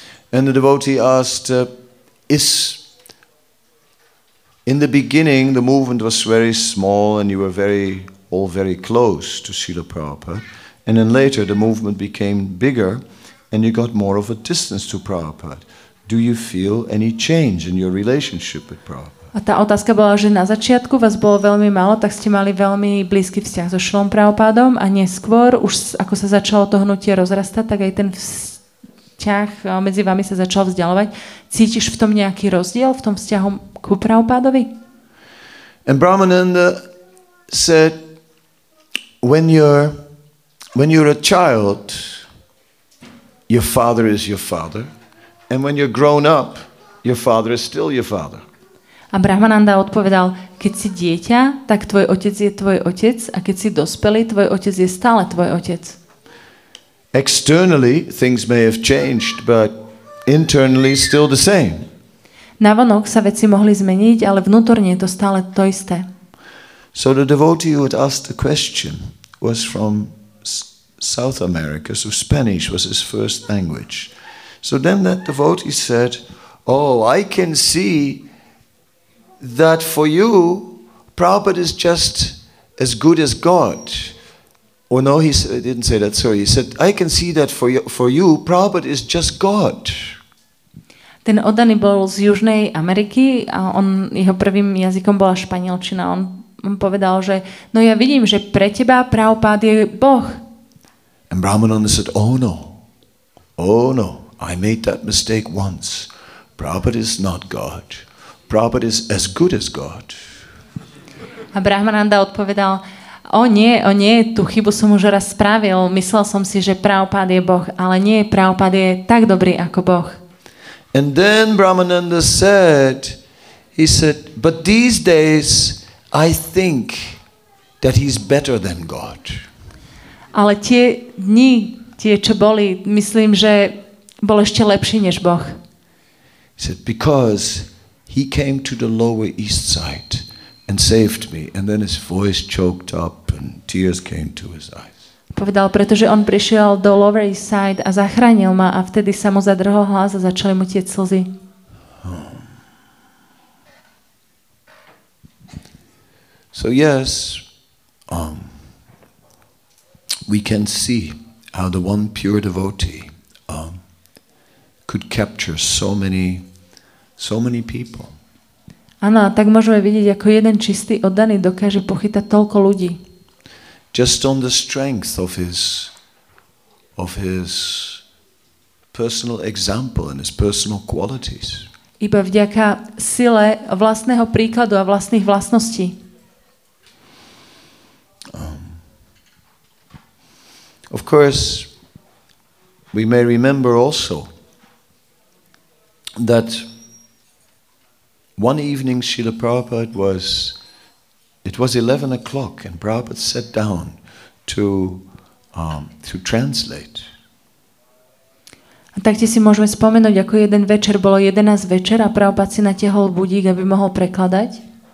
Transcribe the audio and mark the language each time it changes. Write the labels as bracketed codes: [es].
[en] And the devotee asked, is in the beginning the movement was very small and you were very all very close to Srila Prabhupada, and then later the movement became bigger and you got more of a distance to Prabhupada. Do you feel any change in your relationship with Prabhupada? [sk] A tá otázka bola, že na začiatku vás bolo veľmi málo, tak ste mali veľmi blízky vzťah so Šrilom Prabhupádom a neskôr, už ako sa začalo to hnutie rozrastať, tak aj ten vzťah medzi vami sa začal vzdialovať. Cítiš v tom nejaký rozdiel, v tom vzťahu ku Prabhupádovi? [en] And Brahmananda said, when you're a child, your father is your father. And when you're grown up, your father is still your father. [sk] A Brahmananda odpovedal, keď si dieťa, tak tvoj otec je tvoj otec, a keď si dospelý, tvoj otec je stále tvoj otec. [en] Externally, things may have changed, but internally still the same. [sk] Navonok sa veci mohli zmeniť, ale vnútorne je to stále to isté. [en] So the devotee who had asked the question was from South America, so Spanish was his first language. So then that devotee said, oh, I can see that for you, Prabhupada is just as good as God. Or no, he didn't say that, sorry. He said, I can see that for you, Prabhupada is just God. [sk] Ten oddaný bol z Južnej Ameriky a on, jeho prvým jazykom bola španielčina. On povedal, že no ja vidím, že pre teba Prabhupada je Boh. [en] And Brahmananda said, oh no. I made that mistake once. Prabhupada is not God. Prabhupada is as good as God. [sk] A Brahmananda odpovedal, o nie, tú chybu som už raz spravil. Myslel som si, že Prabhupada je Boh, ale nie, Prabhupada je tak dobrý ako Boh. [en] And then Brahmananda said, but these days I think that he's better than God. [sk] Ale tie dni, tie čo boli, myslím, že bol ešte lepší než Boh. [en] He said, because he came to the lower east side and saved me, and then his voice choked up and tears came to his eyes. [sk] Povedal, pretože on prišiel do lower east side a zachránil ma, a vtedy sa mu zadrhol hlas a začali mu tieť slzy. [en] So yes, we can see how the one pure devotee could capture so many people. [sk] Áno, tak môžeme vidieť, ako jeden čistý oddaný dokáže pochytať toľko ľudí. [en] Just on the strength of his personal example and his personal qualities. [sk] Iba vďaka sile vlastného príkladu a vlastných vlastností. [en] Of course, we may remember also that one evening Srila Prabhupada it was 11 o'clock and Prabhupada sat down to translate. [sk] A takto si môžeme spomenúť, ako jeden večer bolo 11 večer a Prabhupada si natiahol budík, aby mohol prekladať.